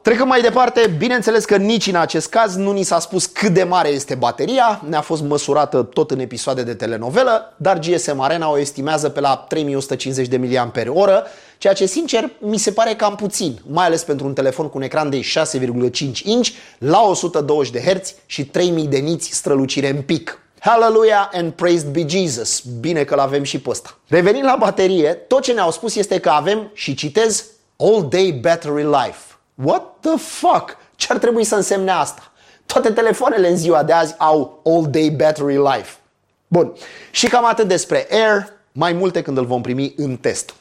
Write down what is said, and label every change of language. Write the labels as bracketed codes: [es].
[ro] Trecând mai departe, bineînțeles că nici în acest caz nu ni s-a spus cât de mare este bateria, ne-a fost măsurată tot în episoade de telenovelă, dar GSM Arena o estimează pe la 3150 de mAh, ceea ce sincer mi se pare cam puțin, mai ales pentru un telefon cu un ecran de 6,5 inch la 120 de Hz și 3000 de niți strălucire în pic. [en] Hallelujah and praised be Jesus! [ro] Bine că l-avem și pe ăsta. Revenind la baterie, tot ce ne-au spus este că avem, și citez, All Day Battery Life. [en] What the fuck? [ro] Ce ar trebui să însemne asta? Toate telefoanele în ziua de azi au All Day Battery Life. Bun, și cam atât despre Air, mai multe când îl vom primi în test.